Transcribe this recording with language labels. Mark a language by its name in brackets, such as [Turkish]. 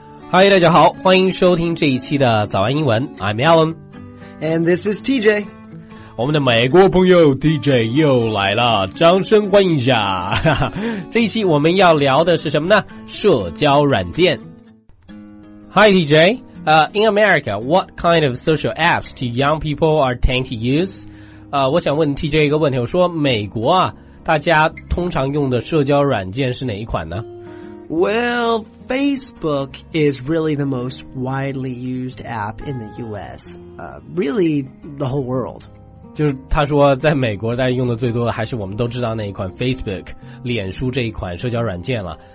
[Chinese] 嗨，大家好，欢迎收听这一期的早安英文。 [English] I'm Alan, and this is TJ. [Chinese] 我们的美国朋友 TJ 又来了，掌声欢迎一下。这一期我们要聊的是什么呢？社交软件。 [English] Hi, TJ. In America, what kind of social apps do young people are tend to use? [Chinese] 我想问 TJ 一个问题，我说美国啊，大家通常用的社交软件是哪一款呢？ [English] Well, Facebook is really the most widely used app in the U.S. Really, the whole world. [Chinese] 就是他说在美国大家用的最多的还是我们都知道那一款 Facebook, 脸书这一款社交软件了。